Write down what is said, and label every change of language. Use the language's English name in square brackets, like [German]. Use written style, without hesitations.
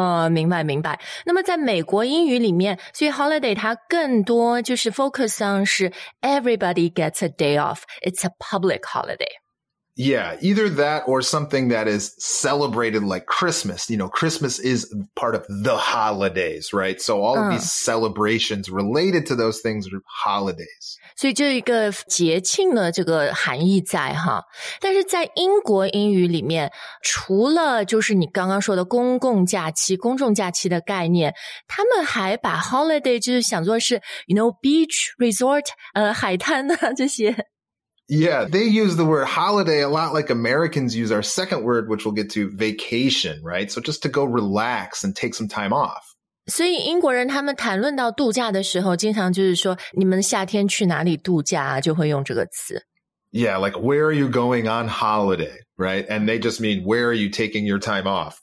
[Chinese] 明白明白。那么在美国英语里面，所以 holiday 它更多就是 focus on 是 [English] everybody gets a day off. It's a public holiday. Yeah, either that or something that is celebrated like Christmas. You know, Christmas is part of the holidays, right? So all of these celebrations related to those things are holidays. [Chinese] 所以就一个节庆的这个含义在哈。但是在英国英语里面，除了就是你刚刚说的公共假期、公众假期的概念，他们还把 holiday 就是想做是 [English] you know, beach, resort, [Chinese] 海滩啊这些。 [English] Yeah, they use the word holiday a lot like Americans use our second word, which we'll get to, vacation, right? So just to go relax and take some time off. [Chinese] 所以英国人他们谈论到度假的时候，经常就是说，你们夏天去哪里度假啊，就会用这个词。 [English] Yeah, like, where are you going on holiday, right? And they just mean, where are you taking your time off?